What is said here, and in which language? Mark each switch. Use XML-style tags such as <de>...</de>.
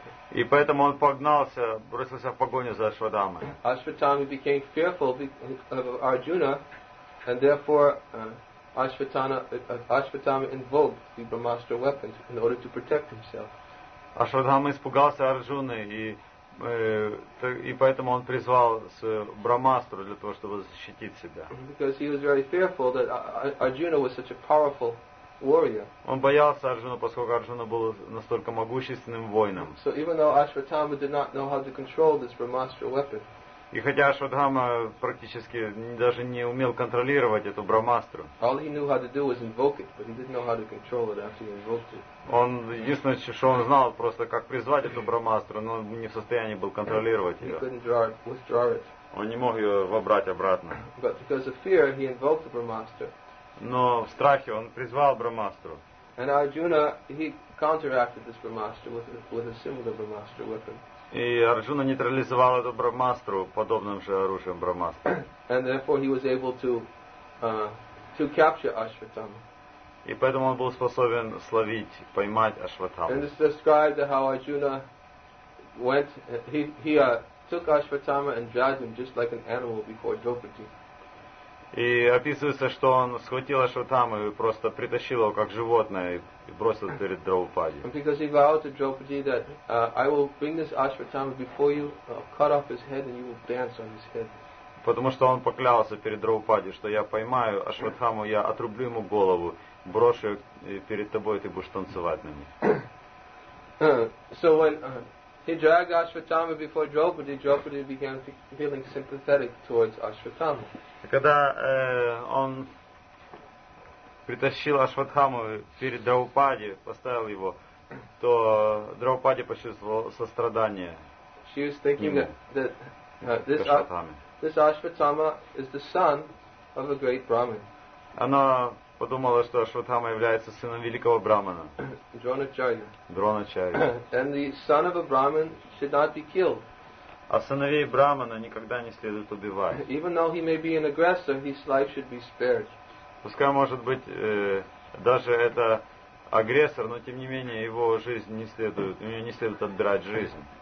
<ru>И поэтому он погнался, бросился в погоню за Ашватхамой.</ru> <en>Ashvatthama became fearful of Arjuna, and therefore Ashvatthama invoked the Brahmastra weapons in order to protect himself.</en> <ru>Ашватхама испугался Арджуны, и поэтому он призвал Брахмастру для того, чтобы защитить себя.</ru> <en>Because he was very fearful that Arjuna was such a powerful warrior.</en> <ru>Он боялся Арджуны, поскольку Арджуна был настолько могущественным воином.</ru> <en>So even though Ashvatthama did not know how to control this Brahmastra weapon.</en> <ru>И хотя Ашватхама практически даже не умел контролировать эту Брахмастру.</ru> <en>All he knew how to do was invoke it, but he didn't know how to control it after he invoked it.</en> <ru>Он единственное, что он знал, просто как призвать эту Брахмастру, но он не в состоянии был контролировать ее.</ru> <en>He couldn't withdraw it.</en> <ru>Он не мог ее вобрать обратно.</ru> <en>But because of fear, he invoked the Brahmastra.</en> <ru>Но в страхе он призвал Брахмастру.</ru> <en>And Arjuna, he counteracted this Brahmastra with a similar Brahmastra weapon.</en> <ru>И Арджуна нейтрализовал эту Брахмастру подобным же оружием Брахмастры.</ru> <en>And therefore he was able to capture Ashvatthama.</en> <ru>И поэтому он был способен словить, поймать Ashvatthama.</ru> <en>And this describes how Arjuna went, he took Ashvatthama and dragged him just like an animal before Draupadi.</en> <ru>И описывается, что он схватил Ашватаму и просто притащил его как животное и бросил перед Драупади.</ru> <en>And because he vowed to Draupadi that I will bring this Ashvatthama before you, cut off his head, and you will dance on his head.</en> <ru>Потому что он поклялся перед Драупади, что я поймаю Ашватхаму, я отрублю ему голову, брошу перед тобой, и ты будешь танцевать на ней.</ru> <en>So when he dragged Ashvatthama before Draupadi, Draupadi began feeling sympathetic towards Ashvatthama.</en> <ru>Когда он притащил Ашватхаму перед Драупади, поставил его, то Драупади почувствовал сострадание.</ru> <en>She was thinking that this Ashvatthama is the son of a great Brahmin.</en> <ru>Она подумала, что Ашватхама является сыном великого брамана. Дроначарья. Дроначарья.</ru> <en>And the son of a Brahmin should not be killed.</en> <ru>А сыновей брамана никогда не следует убивать.</ru> <en>Even though he may be an aggressor, his life should be spared.</en> <ru>Пускай может быть даже это агрессор, но тем не менее его жизнь не следует, у нее не следует отбирать жизнь.</ru>